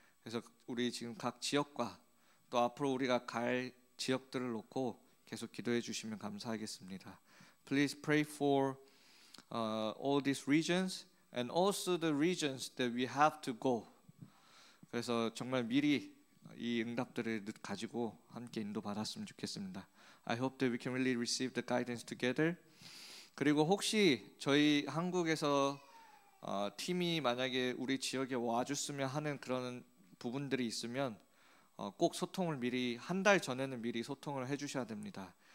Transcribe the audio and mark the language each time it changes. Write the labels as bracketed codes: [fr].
[ko] 그래서 우리 지금 각 지역과 또 앞으로 우리가 갈 지역들을 놓고 계속 기도해 주시면 감사하겠습니다. [en] Please pray for all these regions and also the regions that we have to go. [ko] 그래서 정말 미리 이 응답들을 가지고 함께 인도 받았으면 좋겠습니다. [en] I hope that we can really receive the guidance together. [ko] 그리고 혹시 저희 한국에서 팀이 만약에 우리 지역에 와줬으면 하는 그런 부분들이 있으면 꼭 소통을 미리 한 달 전에는 미리 소통을 해주셔야 됩니다.